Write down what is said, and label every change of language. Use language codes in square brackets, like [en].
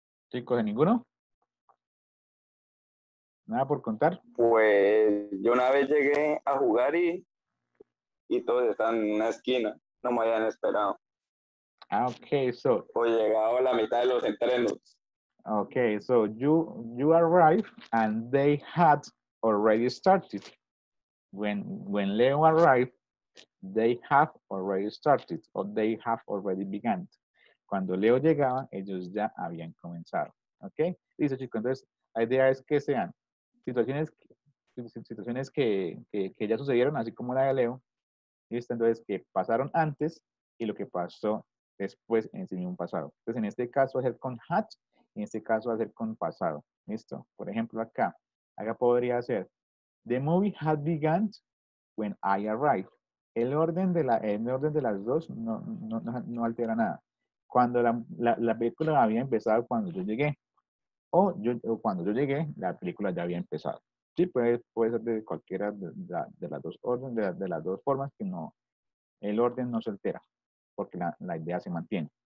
[es] Chicos, ¿de ninguno? ¿Nada por contar? Pues yo una vez llegué a jugar y todos están en una esquina. No me habían esperado. [en] Ah, ok, so. [es] Pues llegado a la mitad de los entrenos. [en] Ok, so you arrived and they had already started. When Leo arrived, they have already started, or they have already begun. [es] Cuando Leo llegaba, ellos ya habían comenzado. ¿Ok? Listo, chicos. Entonces, la idea es que sean situaciones que ya sucedieron, así como la de Leo. ¿Listo? Entonces, que pasaron antes y lo que pasó después en ese mismo pasado. Entonces, en este caso va a ser con had, y en este caso va a ser con pasado. ¿Listo? Por ejemplo, acá. Acá podría ser, [en] The movie had begun when I arrived. [es] El orden de, las dos no altera nada. Cuando la película había empezado cuando yo llegué. O cuando yo llegué, la película ya había empezado. Sí, puede ser de cualquiera de las dos formas, que no, el orden no se altera, porque la idea se mantiene.